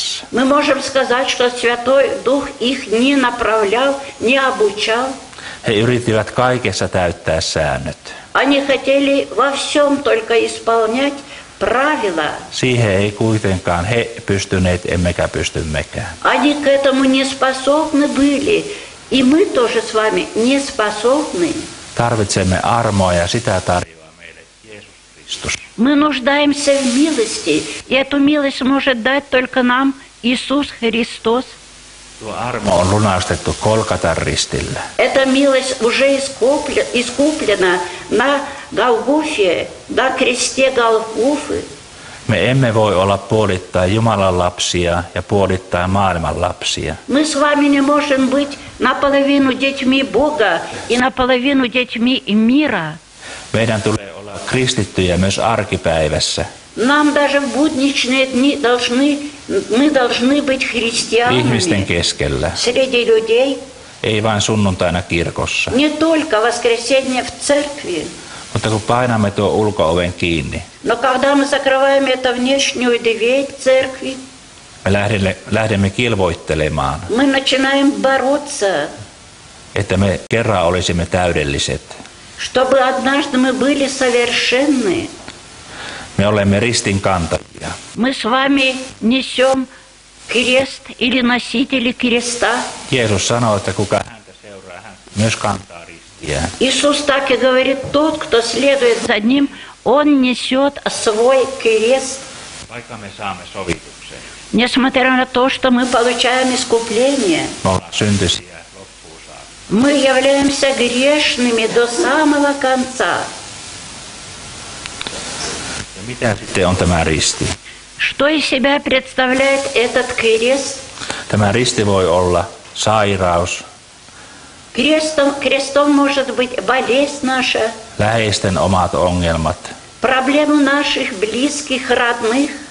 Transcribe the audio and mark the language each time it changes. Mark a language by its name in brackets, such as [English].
[Russian] Мы можем сказать, что Святой Дух их не направлял, не обучал. [Finnish] He yrittivät kaikessa täyttää säännöt. [Russian] Они хотели во всем только исполнять правила. [Finnish] Siihen ei kuitenkaan he pystyneet, emmekä pysty mekään. [Russian] Они к этому не способны были, и мы тоже с вами не способны. [Finnish] Tarvitsemme armoa, ja sitä tarjoaa meille Jeesus Kristus. [Russian] Мы нуждаемся в милости, и эту милость может дать только нам Иисус Христос. [Finnish] Tuo armo on lunastettu Golgatan ristillä. [Russian] Эта милость уже искуплена на Голгофе, на кресте Голгофы. [Finnish] Me emme voi olla puolittaa Jumalan lapsia ja puolittaa maailman lapsia. [Russian] Мы с вами не можем быть наполовину детьми Бога и наполовину детьми мира. [Finnish] Meidän tulee olla kristittyjä myös arkipäivässä. [Russian] Нам даже в будничные дни мы должны быть христианами. [Finnish] Ihmisten keskellä. [Russian] Среди людей. [Finnish] Ei vain sunnuntaina kirkossa. [Russian] Не только воскресенье в церкви. [Finnish] Mutta kun painamme tuo ulko-oven kiinni. [Russian] Но когда мы закрываем эту внешнюю дверь церкви. [Finnish] Lähdemme kilvoittelemaan. [Russian] Мы начинаем бороться. [Finnish] Että me kerran olisimme täydelliset. [Russian] Чтобы однажды мы были совершенны. [Finnish] Me olemme ristin kantajia. [Russian] Мы с вами несем крест или носители креста. [Finnish] Jeesus sanoo, että kuka häntä seuraa, hän myös kantaa ristiä. [Russian] Иисус так и говорит: тот, кто следует за ним, он несет свой крест. [Finnish] Vaikka me saamme sovituksen. [Russian] Несмотря на то, что мы получаем искупление. [Finnish] Me ollaan syntisiä loppuun saakka. [Russian] Мы являемся грешными до самого конца. [Finnish] Mitä sitten on tämä risti? [Russian] Что из себя представляет этот крест? [Finnish] Tämä risti voi olla sairaus. [Russian] Крестом может быть болезнь наша. [Finnish] Läheisten omat ongelmat. [Russian] Проблемы наших близких, родных.